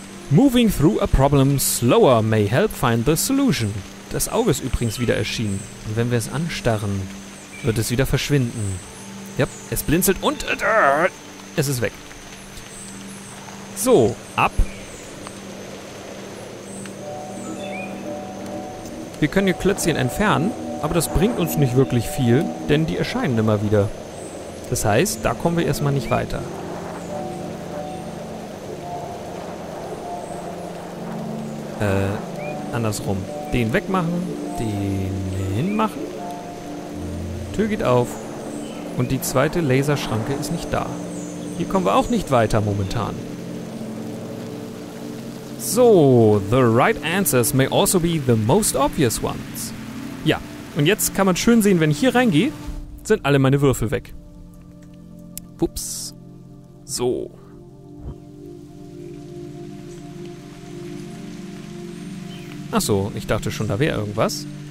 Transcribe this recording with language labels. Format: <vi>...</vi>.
<en>Moving through a problem slower may help find the solution.</en> <de>Das Auge ist übrigens wieder erschienen. Und wenn wir es anstarren, wird es wieder verschwinden. Ja, yep, es blinzelt und es ist weg. So, ab. Wir können hier Klötzchen entfernen, aber das bringt uns nicht wirklich viel, denn die erscheinen immer wieder. Das heißt, da kommen wir erstmal nicht weiter. Andersrum. Den wegmachen, den hinmachen. Tür geht auf. Und die zweite Laserschranke ist nicht da. Hier kommen wir auch nicht weiter momentan.</de> <en>So, the right answers may also be the most obvious ones.</en> <de>Ja, und jetzt kann man schön sehen, wenn ich hier reingehe, sind alle meine Würfel weg. Ups. So. Ach so, ich dachte schon, da wäre irgendwas.</de>